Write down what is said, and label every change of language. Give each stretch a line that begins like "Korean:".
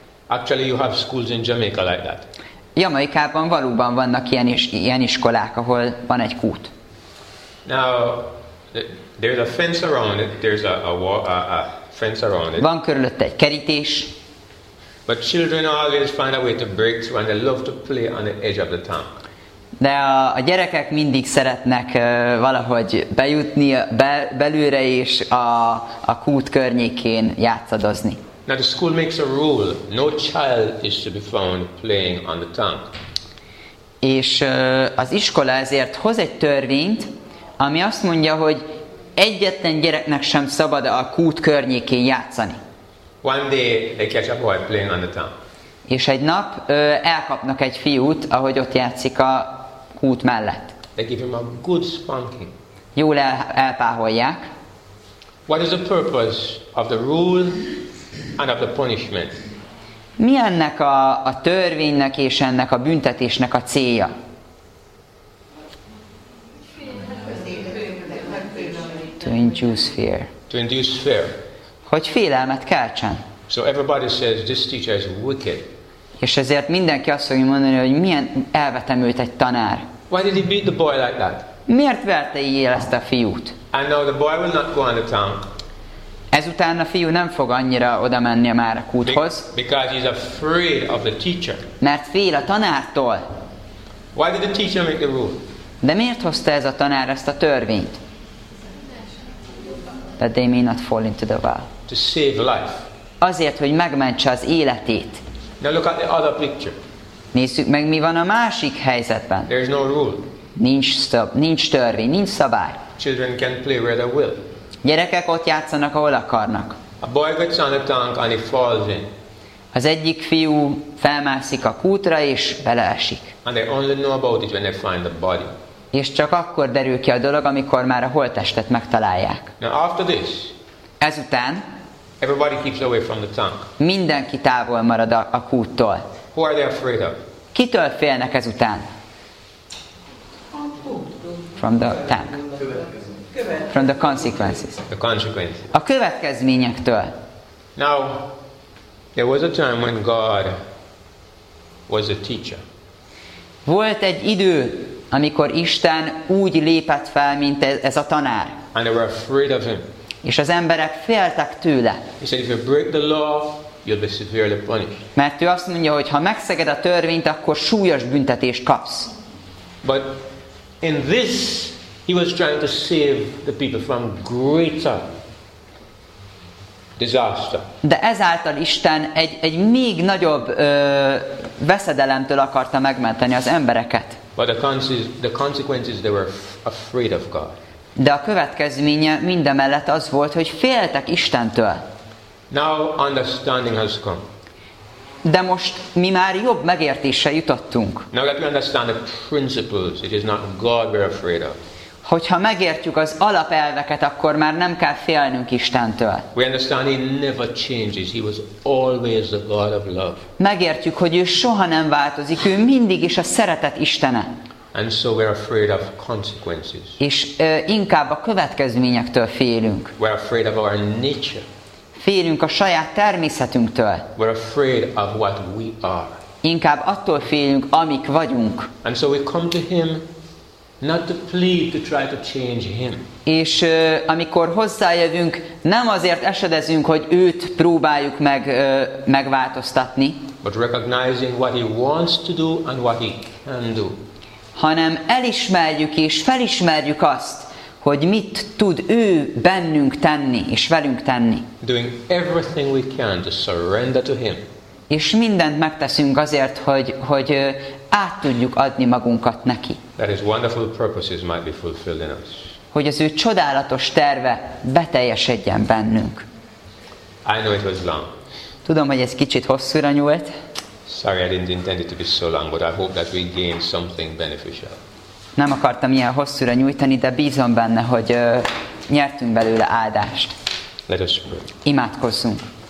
English: Actually, you have schools in Jamaica like that.
Hungarian: Jamaikában valóban vannak ilyen iskolák, ahol van egy kút.
English: Now, there's a fence around it. There's a fence around it.
Hungarian: Van körülötte egy kerítés.
English: But children always find a way to break through, and they love to play on the edge of the tank.
Hungarian: De a gyerekek mindig szeretnek valahogy bejutni belülre és a kút környékén játszadozni.
English: Now the school makes a rule: no child is to be found playing on the tank.
Hungarian: És az iskola ezért hoz egy törvényt, ami azt mondja, hogy egyetlen gyereknek sem szabad a kút környékén játszani.
English: One day they catch a boy playing on the tank.
Hungarian: És egy nap elkapnak egy fiút, ahogy ott játszik a kút mellett.
English: They give him a good spanking.
Hungarian: Jól elpáholják.
English: What is the purpose of the rule? And of the punishment.
Hungarian: Mi ennek a törvénynek és ennek a büntetésnek a célja?
English: To induce fear.
Hungarian: Hogy félelmet keltsen.
English: So everybody says this teacher is wicked.
Hungarian: És ezért mindenki azt fogja mondani, hogy milyen elvetemült egy tanár.
English: Why did he beat the boy like that?
Hungarian: Miért verte így ezt a fiút?
English: And now the boy will not go on the tank.
Hungarian: Ezután a fiú nem fog annyira oda menni már a kúthoz.
English: Because he's afraid of the teacher.
Hungarian: Mert fél a tanártól.
English: Why did the teacher make the rule?
Hungarian: De miért hozta ez a tanár ezt a törvényt?
English: That they may not fall into the well. To save life.
Hungarian: Azért, hogy megmentse az életét.
English: Now look at the other picture.
Hungarian: Nézzük meg, mi van a másik helyzetben.
English: There's no rule.
Hungarian: Nincs törvény, nincs szabály.
English: Children can play where they will.
Hungarian: Gyerekek ott játszanak, ahol akarnak.
English: A boy gets on the tank and he falls in.
Hungarian: Az egyik fiú felmászik a kútra és beleesik.
English: And they only know about it when they find the body.
Hungarian: És csak akkor derül ki a dolog, amikor már a holttestet megtalálják.
English: Now after this,
Hungarian: ezután
English: everybody keeps away from the tank.
Hungarian: Mindenki távol marad a kúttól.
English: Who are they afraid of?
Hungarian: Kitől félnek ezután?
English: From the tank. From the consequences. The consequences.
Hungarian: A következményektől.
English: Now, there was a time when God was a teacher.
Hungarian: Volt egy idő, amikor Isten úgy lépett fel, mint ez a tanár.
English: And they were afraid of him.
Hungarian: És az emberek féltek tőle.
English: He said, if you break the law, you'll be severely punished.
Hungarian: Mert ő azt mondja, hogy ha megszeged a törvényt, akkor súlyos büntetést kapsz.
English: But in this he was trying to save the people from greater Disaster.
Hungarian: De ezáltal Isten egy még nagyobb veszedelemtől akarta megmenteni az embereket.
English: But the consequences, they were afraid of God.
Hungarian: De a következménye mindemellett az volt, hogy féltek Istentől.
English: Now understanding has come.
Hungarian: De most mi már jobb megértéssel jutottunk.
English: Now that we understand the principles, it is not God we're afraid of.
Hungarian: Hogyha megértjük az alapelveket, akkor már nem kell félnünk Istentől.
English: We understand he never changes. He was always the God of love.
Hungarian: Megértjük, hogy ő soha nem változik, ő mindig is a szeretet Istene.
English: And so we're afraid of consequences.
Hungarian: És inkább a következményektől félünk.
English: We're afraid of our nature.
Hungarian: Félünk a saját természetünktől.
English: We're afraid of what we are.
Hungarian: Inkább attól félünk, amik vagyunk.
English: And so we come to him not to plead to try to change him.
Hungarian: És amikor hozzájövünk, nem azért esedezünk, hogy őt próbáljuk meg megváltoztatni.
English: But recognizing what he wants to do and what he can do.
Hungarian: Hanem elismerjük és felismerjük azt, hogy mit tud ő bennünk tenni és velünk tenni.
English: Doing everything we can to surrender to him.
Hungarian: És mindent megteszünk azért, hogy át tudjuk adni magunkat neki.
English: That his wonderful purposes might be fulfilled in us.
Hungarian: Hogy az ő csodálatos terve beteljesedjen bennünk.
English: I know it was long.
Hungarian: Tudom, hogy ez kicsit hosszúra nyúlt.
English: Sorry, I didn't intend it to be so long, but I hope that we gained something beneficial.
Hungarian: Nem akartam ilyen hosszúra nyújtani, de bízom benne, hogy nyertünk belőle áldást.
English: Let us pray.
Hungarian: Imádkozzunk.